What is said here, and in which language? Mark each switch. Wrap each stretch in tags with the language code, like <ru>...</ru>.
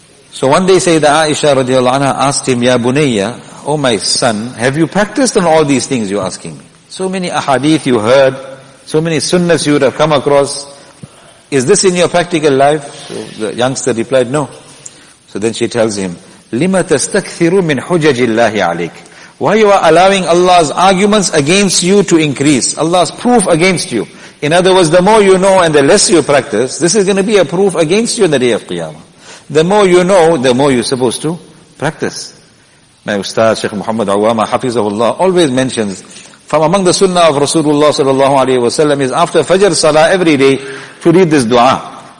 <en>So one day Sayyidina Aisha radiallahu anha asked him,</en> <ar>Ya Bunayya,</ar> <en>O my son, have you practiced on all these things you're asking me? So many ahadith you heard, so many sunnahs you would have come across. Is this in your practical life? So the youngster replied, no. So then she tells him,</en> <ar>لِمَ تَسْتَكْثِرُ مِنْ حُجَجِ اللَّهِ عَلَيْكَ.</ar> <en>Why you are allowing Allah's arguments against you to increase, Allah's proof against you. In other words, the more you know and the less you practice, this is going to be a proof against you in the day of Qiyamah. The more you know, the more you're supposed to practice. My Ustaz, Sheikh Muhammad Awama, Hafizahullah, always mentions, from among the sunnah of Rasulullah sallallahu alayhi wa sallam is after Fajr Salah every day to read this dua.</en>